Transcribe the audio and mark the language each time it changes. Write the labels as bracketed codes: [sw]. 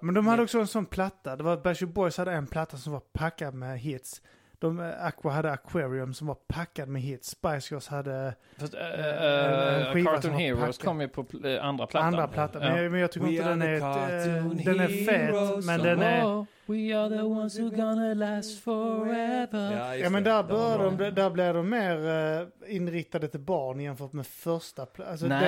[sv] Men de hade också en sån platta. Det var Backstreet Boys hade en platta som var packad med hits. De Aqua hade Aquarium som var packad med hits. Spice Girls hade Cartoon Heroes packad. Kom ju på andra plattan. Andra plattan. Ja. Men jag tycker inte den är den är fet, men den är [en] We are the ones who gonna last forever. [sv] Ja, ja men där bör där blir de mer inriktade till barn jämfört med första alltså